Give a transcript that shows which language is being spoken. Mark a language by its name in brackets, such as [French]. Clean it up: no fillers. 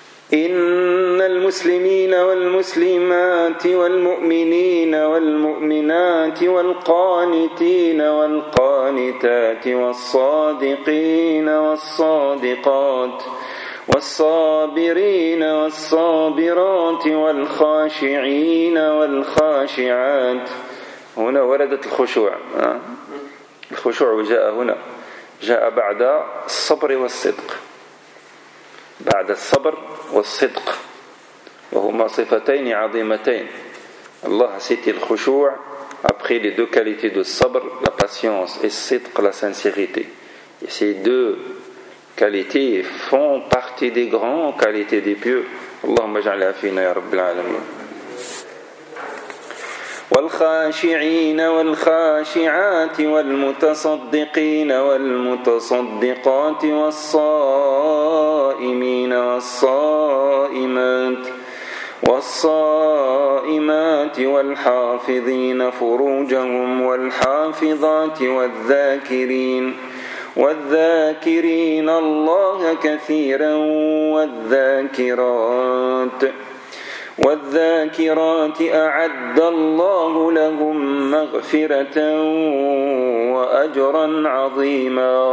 [Arabic] Inna al-muslimina wal-muslimati wal-mu'minina wal-mu'minati wal-qanitina wal-qanitati wal-sadiqina wal-sadiqat والصابرين والصابرات والخاشعين والخاشعات. هنا وردت الخشوع، الخشوع جاء هنا جاء بعد الصبر والصدق، بعد الصبر والصدق، وهما صفتين عظيمتين. الله سيتي الخشوع [French] après les deux qualités de sabr, la patience, et sidq, la sincérité. Et ces deux qualités font partie des grandes qualités des pieux. [Arabic] Allahumma ja'alha fina ya rabbil alamin. والخاشعين والخاشعات والمتصدقين والمتصدقات والصائمين والصائمات والصائمات والحافظين فروجهم والحافظات والذاكرين والذاكرين الله كثيرا والذاكرات والذاكرات أعد الله لهم مغفرة وأجرا عظيما.